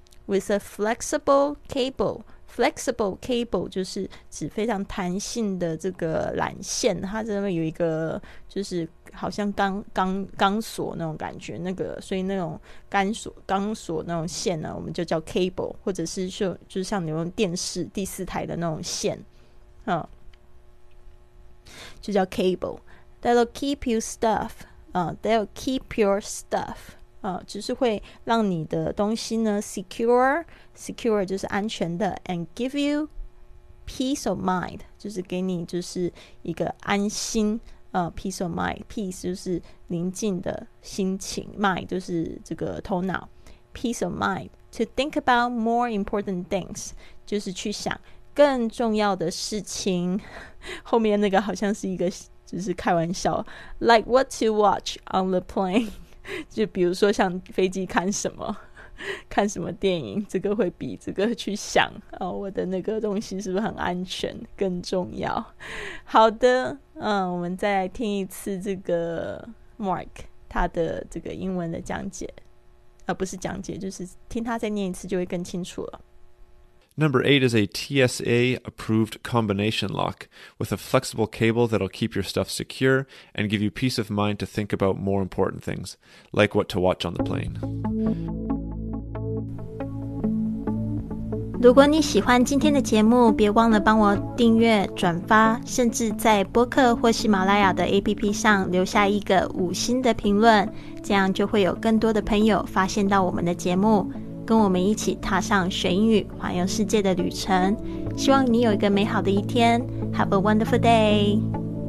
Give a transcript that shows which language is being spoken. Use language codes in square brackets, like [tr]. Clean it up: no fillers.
[en] with a flexible cable， [zh] flexible cable 就是指非常弹性的这个缆线，它这边有一个就是好像钢锁那种感觉，那个所以那种钢锁那种线呢我们就叫 cable， 或者是就像你用电视第四台的那种线就叫 cable。 [en] That'll keep your stuff that'll keep your stuff [zh] 就是会让你的东西呢 [en] secure [zh] 就是安全的， [en] and give you peace of mind [zh] 就是给你就是一个安心 [en] peace of mind， peace [zh] 就是宁静的心情， [en] mind [zh] 就是这个头脑， [en] peace of mind to think about more important things [zh] 就是去想更重要的事情。后面那个好像是一个就是开玩笑， [en] like what to watch on the plane， [zh] 就比如说像飞机看什么电影，这个会比这个去想我的那个东西是不是很安全更重要。好的我们再来听一次这个 Mark 他的这个英文的讲解不是讲解，就是听他再念一次就会更清楚了。 [en] Number 8 is a TSA-approved combination lock with a flexible cable that'll keep your stuff secure and give you peace of mind to think about more important things, like what to watch on the plane. [zh] 如果你喜欢今天的节目，别忘了帮我订阅、转发，甚至在播客或喜马拉雅的 APP 上留下一个五星的评论，这样就会有更多的朋友发现到我们的节目，跟我们一起踏上学英语环游世界的旅程。希望你有一个美好的一天。 [en] Have a wonderful day.